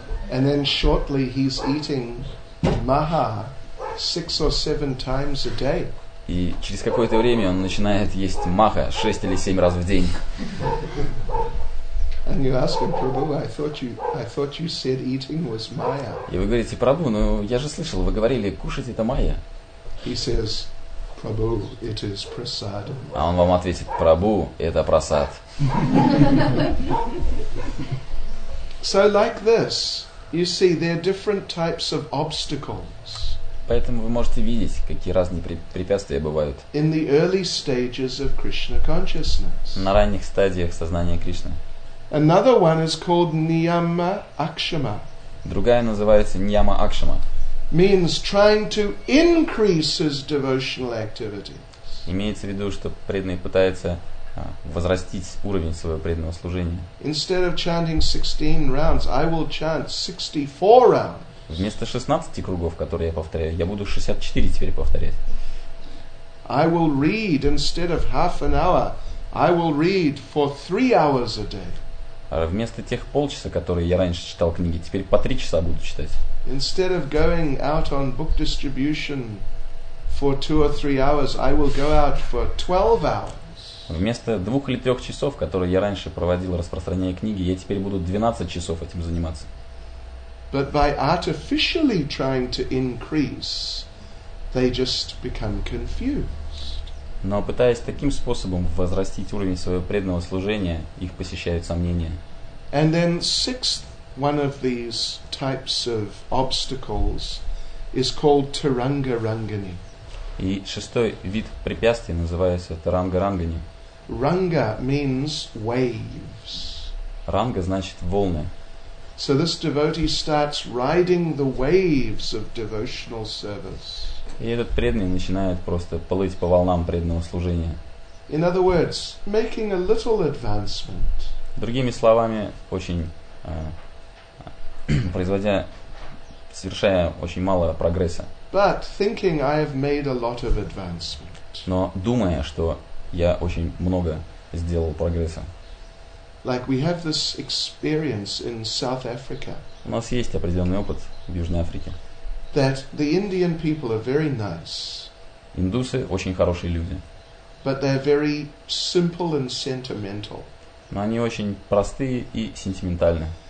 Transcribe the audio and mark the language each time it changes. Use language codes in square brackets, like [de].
[en] And then shortly he's eating maha 6 or 7 times a day. [ru] И через какое-то время он начинает есть маха 6 или 7 раз в день. [en] And you ask him, Prabhu, I thought you said eating was maya. [ru] И вы говорите, Прабу, ну я же слышал, вы говорили, кушать это майя. [en] He says, Prabhu, it is prasad. [ru] А он вам ответит, Прабу, это прасад. [en] So like this, you see, there are different types of obstacles. [ru] Поэтому вы можете видеть, какие разные препятствия бывают. [en] In the early stages of Krishna consciousness. [ru] На ранних стадиях сознания Кришны. [en] Another one is called Niyama Akshama. [ru] Другая называется Niyama Akshama. [en] Means trying to increase his devotional activities. [ru] Имеется в виду, что преданный пытается возрастить уровень своего преданного служения. [en] Instead of chanting 16 rounds, I will chant 64 rounds. [ru] Вместо 16 кругов, которые я повторяю, я буду 64 теперь повторять. [en] I will read instead of half an hour, I will read for 3 hours a day. [ru] Вместо тех полчаса, которые я раньше читал книги, теперь по 3 часа буду читать. [en] Instead of going out on book distribution for 2 or 3 hours, I will go out for 12 hours. [ru] Вместо 2 или 3 часов, которые я раньше проводил, распространяя книги, я теперь буду 12 часов этим заниматься. [en] But by artificially trying to increase, they just become confused. [ru] Но пытаясь таким способом возрастить уровень своего преданного служения, их посещают сомнения. [en] And then sixth one of these types of obstacles is called Taranga Rangani. [ru] И 6-й вид препятствий называется Taranga Rangani. [en] Ranga means waves. [ru] Ranga значит волны. [en] So this devotee starts riding the waves of devotional service. [ru] И этот преданный начинает просто плыть по волнам преданного служения. [en] In other words, making a little advancement. [ru] Другими словами, очень производя, совершая очень мало прогресса. [en] But thinking I have made a lot of advancement. [ru] Но думая, что я очень много сделал прогресса. [en] Like we have this experience in South Africa. [ru] У нас есть определенный опыт в Южной Африке. [en] That the Indian people are very nice. [ru] Индусы очень хорошие люди. [en] But they're very simple and sentimental. [ru] Но они очень простые и сентиментальные.